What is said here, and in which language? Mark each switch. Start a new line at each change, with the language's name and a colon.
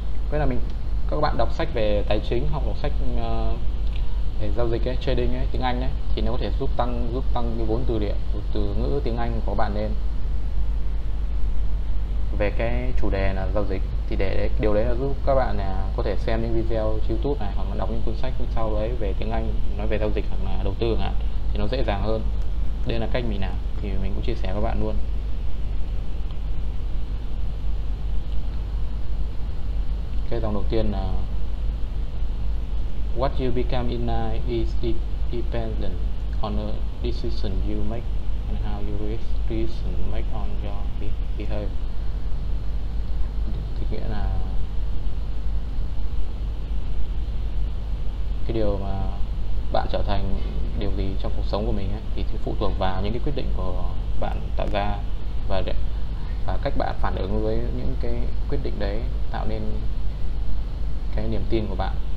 Vietnamese: Với là mình, các bạn đọc sách về tài chính hoặc đọc sách để giao dịch ấy, trading ấy, tiếng Anh ấy, thì nó có thể giúp tăng cái vốn từ ngữ tiếng Anh của bạn lên về cái chủ đề là giao dịch. Thì để điều đấy là giúp các bạn là có thể xem những video trên YouTube này, hoặc là đọc những cuốn sách sau đấy về tiếng Anh nói về giao dịch hoặc là đầu tư ạ, thì nó dễ dàng hơn. Đây là cách mình làm, thì mình cũng chia sẻ với bạn luôn.
English: Cái dòng đầu tiên là What you become in life is dependent on the decision you make and how you decision make on your behavior.
Vietnamese: Thì nghĩa là cái điều mà bạn trở thành điều gì trong cuộc sống của mình ấy, thì phụ thuộc vào những cái quyết định của bạn tạo ra và cách bạn phản ứng với những cái quyết định đấy tạo nên cái niềm tin của bạn.